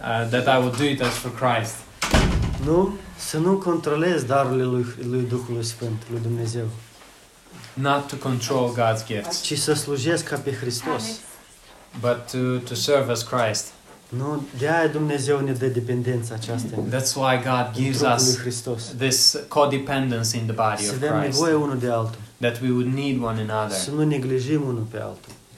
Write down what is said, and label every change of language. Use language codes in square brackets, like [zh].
[en] That I will do it as for Christ. [ro] Nu, să nu controlez darurile lui Duhului Sfânt, lui Dumnezeu. [en] Not to control God's gifts. [ro] Ci să slujesc ca pe Hristos. [en] But to serve as Christ. [ro] Nu, de-aia Dumnezeu ne dă dependența aceasta. [en] That's why God gives us this codependence in the body of Christ. [ro] Să avem nevoie unul de altul. [en] That we would need one another. [ro] Să nu neglijim unul pe altul.